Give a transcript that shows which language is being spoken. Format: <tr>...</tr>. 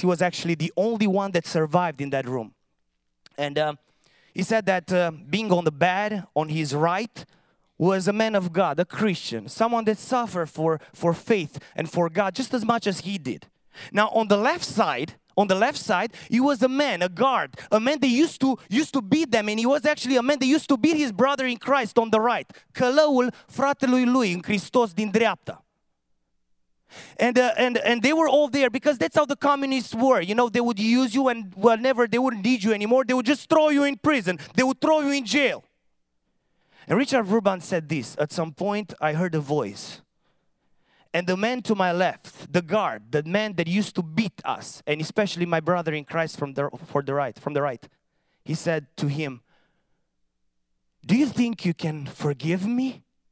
<en>He was actually the only one that survived in that room. And he said that being on the bed on his right was a man of God, a Christian, someone that suffered for faith and for God just as much as he did. Now on the left side, he was a man, a guard, a man that used to beat them, and he was actually a man that used to beat his brother in Christ on the right.</en> <ro>Călăul fratelui lui în Hristos din dreapta.</ro> <en>And they were all there because that's how the communists were. You know, they would use you and whenever they wouldn't need you anymore, they would just throw you in prison. They would throw you in jail. And Richard Rohrbrand said this, "At some point I heard a voice. And the man to my left, the guard, the man that used to beat us, and especially my brother in Christ from the right, he said to him, 'Do you think you can forgive me?</en>